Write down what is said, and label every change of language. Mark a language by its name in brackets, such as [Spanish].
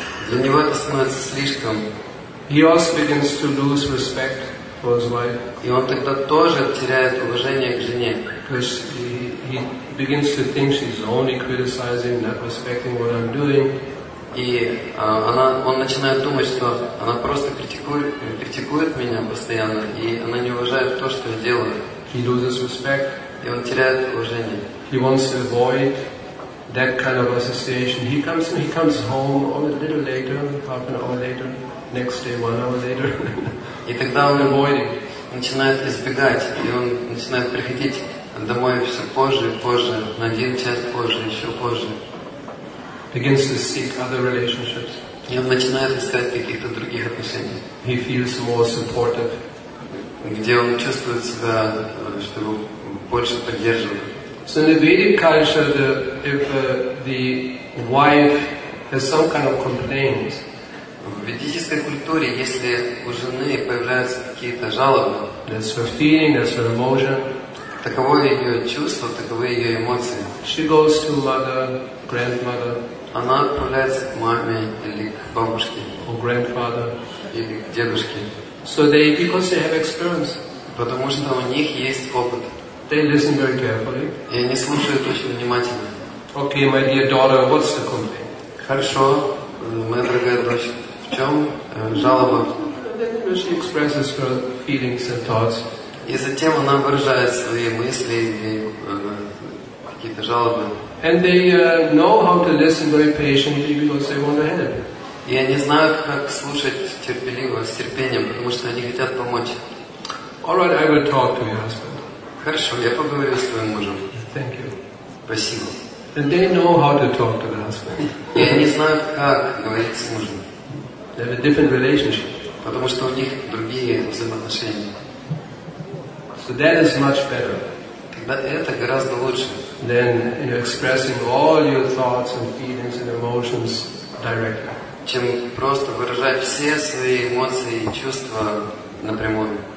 [Russian] Для него это становится слишком. [English] He also begins to lose respect for his wife. [Russian] И он тогда тоже теряет уважение к жене. [English] Because he begins to think she's only criticizing, not respecting what I'm doing. [Russian] И он начинает думать, что она просто критикует меня постоянно, и она не уважает то, что я делаю. [English] He loses respect. [Russian] И он теряет уважение. [English] He wants to avoid that kind of association. He comes home a little later, half an hour later, next day, 1 hour later. [Russian] И тогда он начинает избегать, и он начинает приходить домой все позже и позже, на один час позже, еще позже. [English] Begins to seek other relationships. [Russian] И он начинает искать каких-то других отношений. [English] He feels more supportive. [Russian] Где он чувствует себя, что его больше поддерживают. [English] So in the Vedic culture, if the wife has some kind of complaints, [Russian] в ведической культуре, если у жены появляются какие-то жалобы, [English] that's her feeling, that's her emotion, [Russian] таково ее чувство, таковы ее эмоции. [English] She goes to mother, grandmother. [Russian] Она отправляется к маме или к бабушке, [English] or grandfather, [Russian] или к дедушке. [English] So they, because they have experience, [Russian] потому что у них есть опыт. [English] They listen very carefully. [Russian] И они слушают очень внимательно. [English] Okay, my dear daughter, what's the complaint? [Russian] Хорошо, моя дорогая дочь, в чем жалоба? [English] Then she expresses her feelings and thoughts. [Russian] И затем она выражает свои мысли и какие-то жалобы. [English] And they know how to listen very patiently because they want to help. [Russian] И они знают, как слушать терпеливо, с терпением, потому что они хотят помочь. [English] All right, I will talk to your husband. [Russian] Хорошо, я поговорю с твоим мужем. [English] Thank you. [Russian] Спасибо. [English] And they know how to talk to the husband. [Russian] И они знают, как говорить с мужем. [English] They have a different relationship. [Russian] Потому что у них другие взаимоотношения. [English] So that is much better. [Russian] Тогда это гораздо лучше. [English] Than expressing all your thoughts and feelings and emotions directly. [Russian] Чем просто выражать все свои эмоции и чувства напрямую.